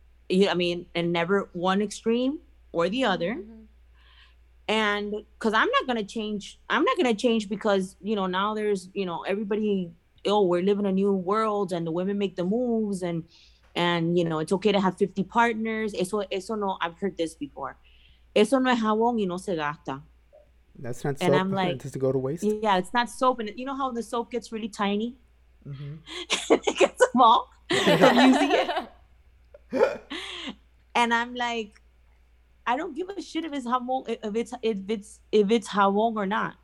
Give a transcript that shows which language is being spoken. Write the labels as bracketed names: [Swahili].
[English] And never one extreme or the other. Mm-hmm. And because I'm not going to change because, you know, now there's, you know, everybody, oh, we're living a new world and the women make the moves and, you know, it's okay to have 50 partners. [Spanish] Eso no, [English] I've heard this before. [Spanish] Eso no es jabón y no se gasta. [English] That's not soap. And I'm like, does it go to waste? Yeah, it's not soap. And you know how the soap gets really tiny? Mm-hmm. It gets small. Yeah. Using it. And I'm like, I don't give a shit if it's jamon, if it's jamon or not.